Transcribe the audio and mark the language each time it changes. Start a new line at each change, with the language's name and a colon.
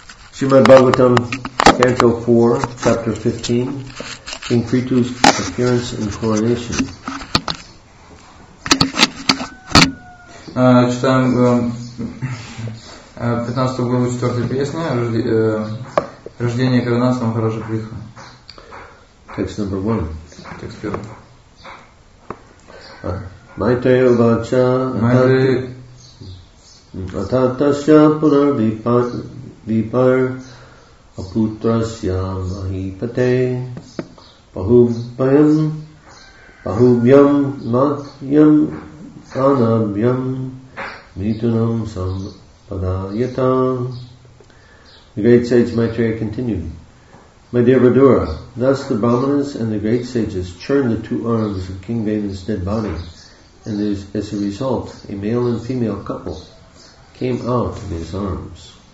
English: Srimad Bhagavatam, Canto 4, Chapter 15, King Prithu's Appearance and Coronation.
Russian: Читаем 15 главу 4 песни «Рождение и коронация Махараджа Прихи».
English: Text number 1.
Russian: Текст первый.
Sanskrit: Майтея вача ататасья пунар випар апутрасья махипате пахубхаям пахубьям махьям анабьям митунам сампадайата.
English: The great sage Maitreya continued, "My dear Vidura, thus the brahmanas and the great sages churn the two arms of King Vaman's dead body, and as a result, a male and female couple came out of his arms."